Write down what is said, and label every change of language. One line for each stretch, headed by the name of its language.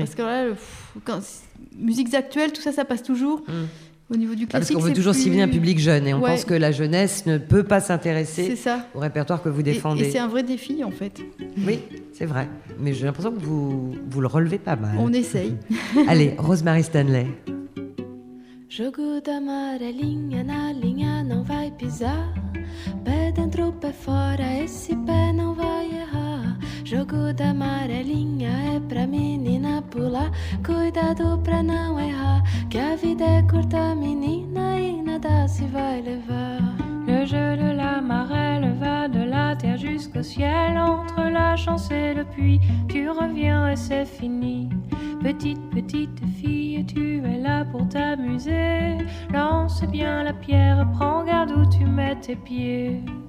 French: Parce que là, musiques actuelles, tout ça, ça passe toujours. Au niveau du classique, parce qu'on veut c'est toujours plus... cibler un public jeune et on pense que la jeunesse ne peut pas s'intéresser au répertoire que vous défendez. Et c'est un vrai défi en fait. Oui, c'est vrai. Mais j'ai l'impression que vous le relevez pas mal. On essaye. Allez, Rosemary Stanley.
Portuguese: Jogo da amarelinha na linha não vai pisar. Pé dentro, pé fora, esse pé não vai errar. Jogo da amarelinha é pra menina pular. Cuidado pra não errar, que a vida é curta, menina, e nada se vai levar.
French: Le jeu de la marelle va de la terre jusqu'au ciel. Entre la chance et le puits, tu reviens et c'est fini. Petite, petite fille, tu es là pour t'amuser. Lance bien la pierre, prends garde où tu mets tes pieds.